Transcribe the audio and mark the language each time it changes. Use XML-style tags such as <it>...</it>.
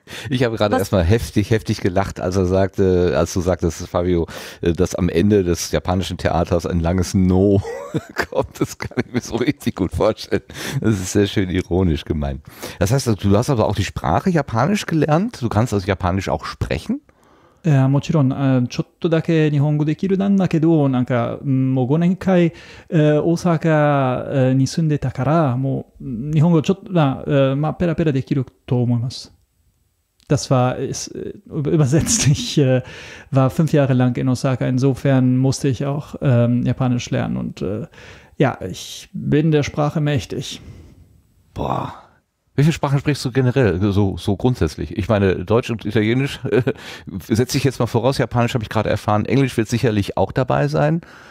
<de>Ich habe gerade erstmal heftig gelacht, als du sagtest, Fabio, dass am Ende des japanischen Theaters ein langes No kommt. Das kann ich mir so richtig gut vorstellen. Das ist sehr schön ironisch gemeint. Das heißt, du hast aber auch die Sprache Japanisch gelernt? Du kannst also Japanisch auch sprechen?</de> <ja>もちろん、ちょっとだけ日本語できるなんだけど、なんか、もう5年間、大阪に住んでたから、もう日本語ちょっと、まあ、ペラペラできると思います。</ja> <de>Das war, übersetzt, ich war 5 Jahre lang in Osaka, insofern musste ich auch Japanisch lernen und ich bin der Sprache mächtig. Boah. Welche Sprachen sprichst du generell, so grundsätzlich? Ich meine, Deutsch und Italienisch setze ich jetzt mal voraus. Japanisch habe ich gerade erfahren. Englisch wird sicherlich auch dabei sein.</de>